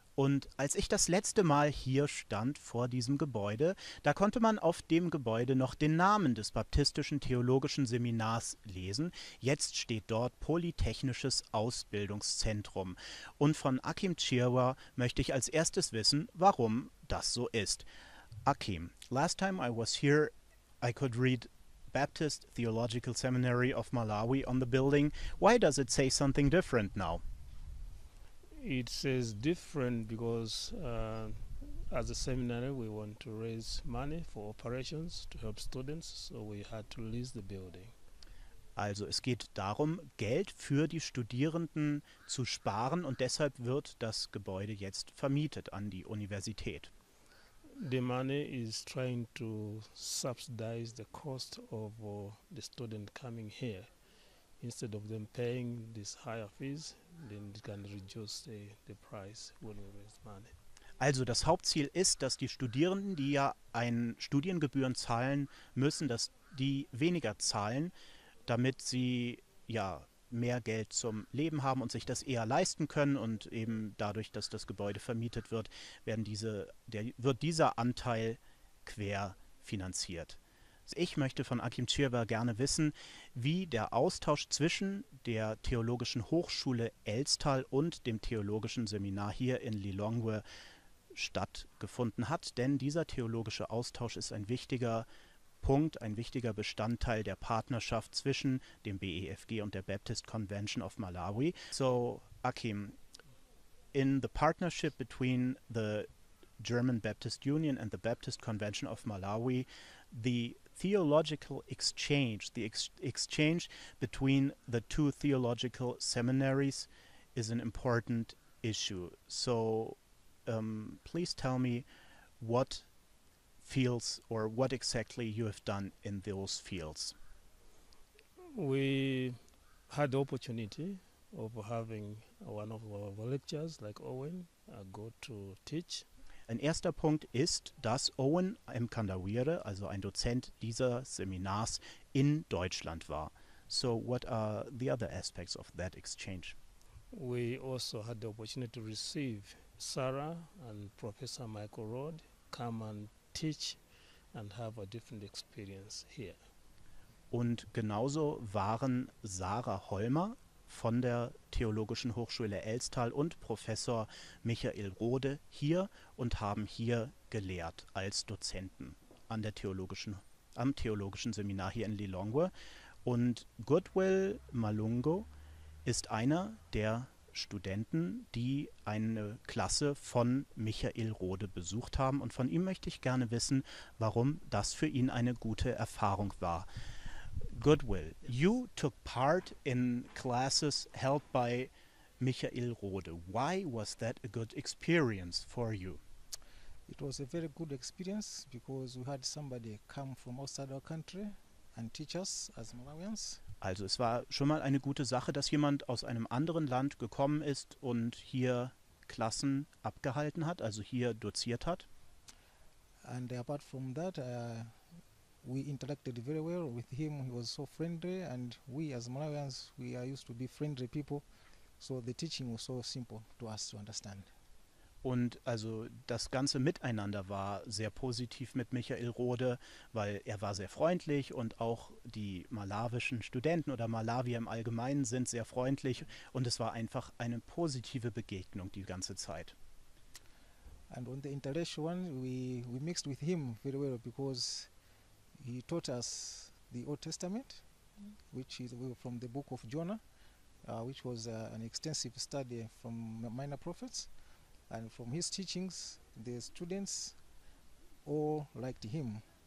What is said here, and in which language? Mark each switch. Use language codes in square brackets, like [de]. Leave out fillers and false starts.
[de] Und als ich das letzte Mal hier stand vor diesem Gebäude, da konnte man auf dem Gebäude noch den Namen des Baptistischen Theologischen Seminars lesen. Jetzt steht dort Polytechnisches Ausbildungszentrum. Und von Akim Chirwa möchte ich als erstes wissen, warum das so ist. [en] Akim, last time I was here, I could read Baptist Theological Seminary of Malawi on the building. Why does it say something different now? It says different because as a seminary we want to raise money for operations to help students, so we had to lease the building. [de] Also es geht darum, Geld für die Studierenden zu sparen, und deshalb wird das Gebäude jetzt vermietet an die Universität. [en] The money is trying to subsidize the cost of the student coming here. Instead of them paying this higher fees, then they can reduce the price when we raise money. [de] Also das Hauptziel ist, dass die Studierenden, die ja ein Studiengebühren zahlen müssen, dass die weniger zahlen, damit sie ja mehr Geld zum Leben haben und sich das eher leisten können, und eben dadurch, dass das Gebäude vermietet wird, wird dieser Anteil quer finanziert. Ich möchte von Akim Chirwa gerne wissen, wie der Austausch zwischen der Theologischen Hochschule Elstal und dem Theologischen Seminar hier in Lilongwe stattgefunden hat. Denn dieser theologische Austausch ist ein wichtiger Punkt, ein wichtiger Bestandteil der Partnerschaft zwischen dem BEFG und der Baptist Convention of Malawi. [en] So, Akim, in the partnership between the German Baptist Union and the Baptist Convention of Malawi, the theological exchange, the exchange between the two theological seminaries is an important issue. So please tell me what fields or what exactly you have done in those fields. We had the opportunity of having one of our lectures, like Owen, go to teach. [de] Ein erster Punkt ist, dass Owen M. Kandawire, also ein Dozent dieser Seminars, in Deutschland war. [en] So what are the other aspects of that exchange? We also had the opportunity to receive Sarah and Professor Michael Rode come and teach and have a different experience here. [de] Und genauso waren Sarah Holmer von der Theologischen Hochschule Elstal und Professor Michael Rode hier und haben hier gelehrt als Dozenten am Theologischen Seminar hier in Lilongwe. Und Goodwill Malungu ist einer der Studenten, die eine Klasse von Michael Rode besucht haben. Und von ihm möchte ich gerne wissen, warum das für ihn eine gute Erfahrung war. [en] Goodwill, you took part in classes held by Michael Rode. Why was that a good experience for you? It was a very good experience because we had somebody come from outside our country and teach us as Malawians. [de] Also es war schon mal eine gute Sache, dass jemand aus einem anderen Land gekommen ist und hier Klassen abgehalten hat, also hier doziert hat. [en] And apart from that, we interacted very well with him. He was so friendly, and we as Malawians, we are used to be friendly people, so the teaching was so simple to us to understand. [de] Und also das ganze Miteinander war sehr positiv mit Michael Rode, weil er war sehr freundlich, und auch die malawischen Studenten oder Malawier im Allgemeinen sind sehr freundlich, und es war einfach eine positive Begegnung die ganze Zeit. [en] And on the international one, we mixed with him very well because he taught us the Old Testament, which is from the book of Jonah, which was an extensive study from minor prophets. And from his teachings, the students all liked him.